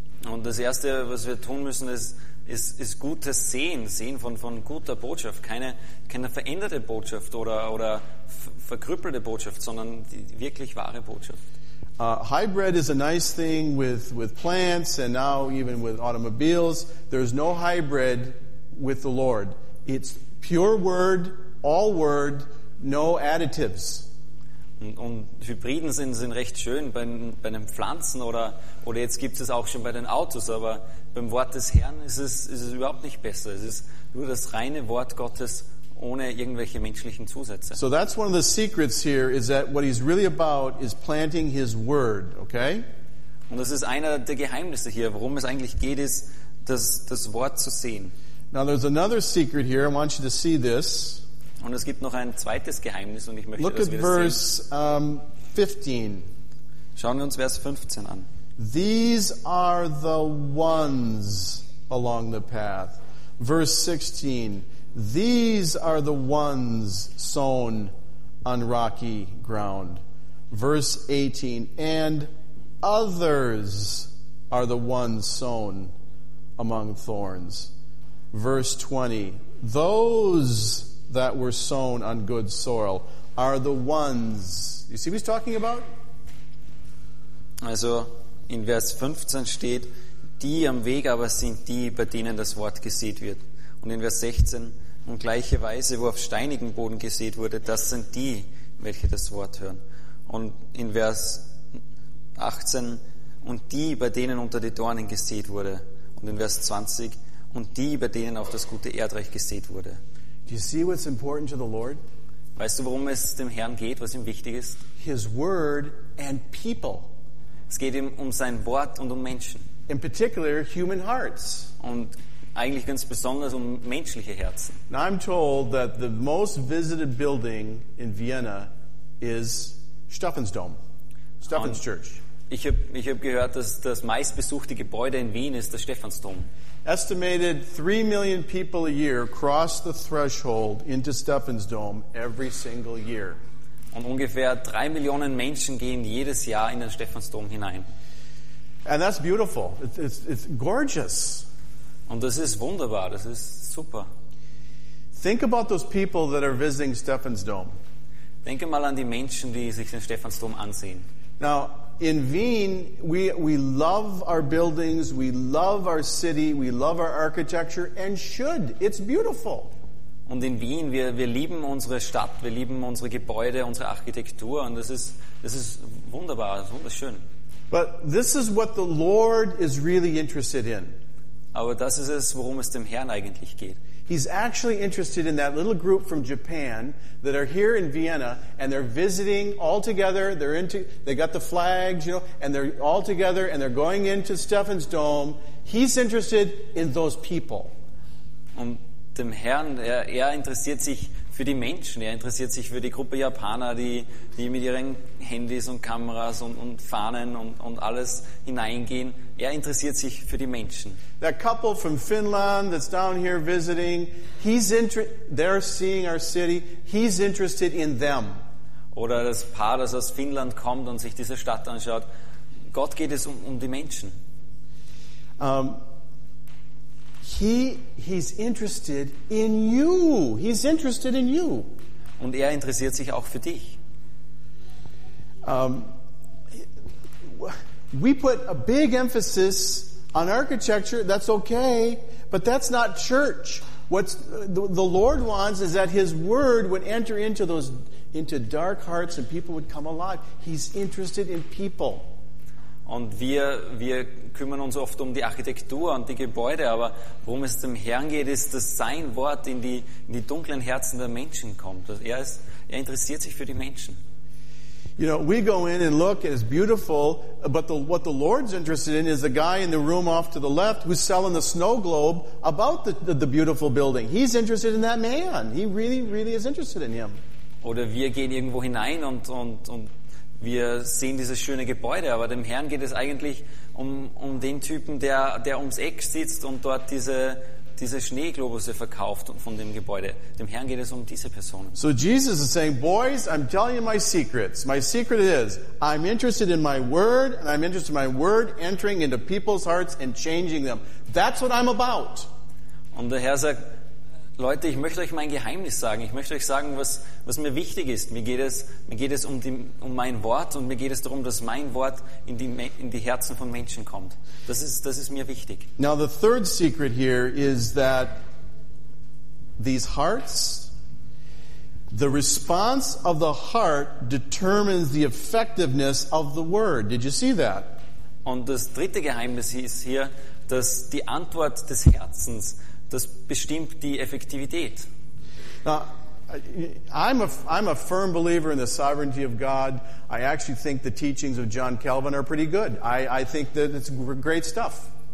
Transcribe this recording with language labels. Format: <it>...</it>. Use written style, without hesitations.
<de>Und das Erste, was wir tun müssen, ist gutes Sehen von guter Botschaft. Keine veränderte Botschaft oder verkrüppelte Botschaft, sondern die wirklich wahre Botschaft.</de> <en>Hybrid is a nice thing with plants and now even with automobiles. There's no hybrid with the Lord. It's pure word, all word, no additives.</en> <de>Und Hybriden sind recht schön bei den Pflanzen oder jetzt gibt es auch schon bei den Autos, aber beim Wort des Herrn ist es überhaupt nicht besser. Es ist nur das reine Wort Gottes ohne irgendwelche menschlichen Zusätze.</de> <en>So that's one of the secrets here is that what he's really about is planting his word, okay?</en> <de>Und das ist einer der Geheimnisse hier, worum es eigentlich geht, ist das Wort zu sehen.</de> <en>Now there's another secret here, I want you to see this.</en> <de>Und es gibt noch ein zweites Geheimnis und ich möchte,</de> <en>look</en> <de>dass wir</de> <en>at</en> <de>das</de> <en>verse,</en> <de>sehen.</de> <en>15.</en> <de>Schauen wir uns Vers 15 an.</de> <en>These are the ones along the path. Verse 16. These are the ones sown on rocky ground. Verse 18. And others are the ones sown among thorns. Verse 20. Those that were sown on good soil are the ones. You see what he's talking about?</en> <de>Also, in Vers 15 steht, die am Weg aber sind die, bei denen das Wort gesät wird. Und in Vers 16, und gleiche Weise, wo auf steinigen Boden gesät wurde, das sind die, welche das Wort hören. Und in Vers 18, und die, bei denen unter die Dornen gesät wurde. Und in Vers 20, und die, bei denen auf das gute Erdreich gesät wurde.</de> <en>Do you see what's important to the Lord?</en> <de>Weißt du, worum es dem Herrn geht, was ihm wichtig ist?</de> <en>His word and people.</en> <de>Es geht ihm um sein Wort und um Menschen.</de> <en>In particular, human hearts.</en> <de>Und eigentlich ganz besonders um menschliche Herzen.</de> <en>Now I'm told that the most visited building in Vienna is Steffen's Dome, Steffen's Church.</en> <de>Ich hab gehört, dass das meistbesuchte Gebäude in Wien ist der Stephansdom.</de> <en>Estimated 3 million people a year cross the threshold into Stephen's Dome every single year.</en> <de>Und ungefähr 3 Millionen Menschen gehen jedes Jahr in den Stephansdom hinein.</de> <en>And that's beautiful. It's gorgeous.</en> <de>Und das ist wunderbar. Das ist super.</de> <en>Think about those people that are visiting Stephen's Dome.</en> <de>Denke mal an die Menschen, die sich den Stephansdom ansehen.</de> <en>Now, in Wien, we love our buildings, we love our city, we love our architecture, and should. It's beautiful.</en> <de>Und in Wien, wir lieben unsere Stadt, wir lieben unsere Gebäude, unsere Architektur, und das ist wunderbar, das ist wunderschön.</de> <en>But this is what the Lord is really interested in.</en> <de>Aber das ist es, worum es dem Herrn eigentlich geht.</de> <en>He's actually interested in that little group from Japan that are here in Vienna, and they're visiting all together. They got the flags, you know, and they're all together, and they're going into Stephen's Dome. He's interested in those people.</en> <de>Und dem Herrn, er interessiert sich für die Menschen. Er interessiert sich für die Gruppe Japaner, die mit ihren Handys und Kameras und Fahnen und alles hineingehen. Er interessiert sich für die Menschen.</de> <en>That couple from Finland that's down here visiting, they're seeing our city. He's interested in them.</en> <de>Oder das Paar, das aus Finnland kommt und sich diese Stadt anschaut. Gott geht es um die Menschen.</de> <en>He's interested in you. He's interested in you.</en> <de>Und interessiert sich auch für dich.</de> <en>We put a big emphasis on architecture. That's okay, but that's not church. What's the Lord wants is that His Word would enter into dark hearts, and people would come alive. He's interested in people.</en> <de>Und wir kümmern uns oft um die Architektur und die Gebäude, aber worum es dem Herrn geht, ist, dass sein Wort in die dunklen Herzen der Menschen kommt. Er interessiert sich für die Menschen.</de> <en>You know, we go in and look, and it's beautiful, but what the Lord's interested in is the guy in the room off to the left who's selling the snow globe about the beautiful building. He's interested in that man. He really, really is interested in him.</en> <de>Oder wir gehen irgendwo hinein und wir sehen dieses schöne Gebäude, aber dem Herrn geht es eigentlich um den Typen, der ums Eck sitzt und dort diese Schneeglobusse verkauft von dem Gebäude. Dem Herrn geht es um diese Person.</de> <en>So Jesus is saying, boys, I'm telling you my secrets. My secret is, I'm interested in my word, and I'm interested in my word entering into people's hearts and changing them. That's what I'm about.</en> <de>Und der Herr sagt, Leute, ich möchte euch mein Geheimnis sagen. Ich möchte euch sagen, was mir wichtig ist. Mir geht es um mein Wort, und mir geht es darum, dass mein Wort in die Herzen von Menschen kommt. Das ist mir wichtig.</de> <en>Now the third secret here is that these hearts, the response of the heart determines the effectiveness of the word. Did you see that?</en> <de>Und das dritte Geheimnis ist hier, dass die Antwort des Herzens, das bestimmt die Effektivität.</de> <en>Now, I'm a firm believer in the sovereignty of God. I actually think the teachings of John Calvin are pretty good. I think that it's great stuff.</en>